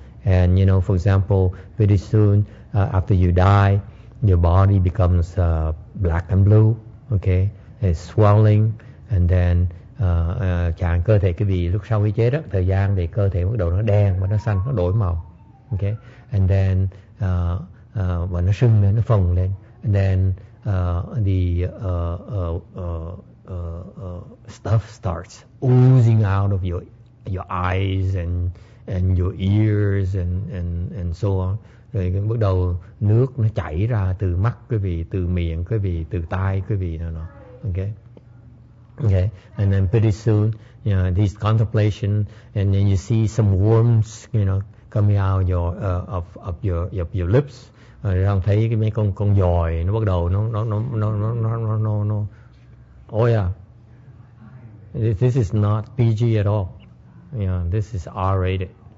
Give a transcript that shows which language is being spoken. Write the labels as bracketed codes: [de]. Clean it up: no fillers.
[en] And you know, for example, very soon after you die, your body becomes black and blue, okay? It's swelling, and then [vi] chàng cơ thể quý vị lúc sau khi chết đó, thời gian thì cơ thể bắt đầu nó đen và nó xanh, nó đổi màu, okay? [en] And then [vi] và nó sưng lên, nó phồng lên, [en] and then stuff starts oozing out of your eyes and your ears and so on. [vi] Rồi bắt đầu nước nó chảy ra từ mắt quý vị, từ miệng quý vị, từ tai quý vị nào nọ. [en] Okay. And then pretty soon, you know, this contemplation, and then you see some worms, you know, coming out of your lips. [vi] Rồi thấy cái mấy con giòi nó bắt đầu nó. [en] Oh yeah. This is not PG at all. Yeah, this is R-rated.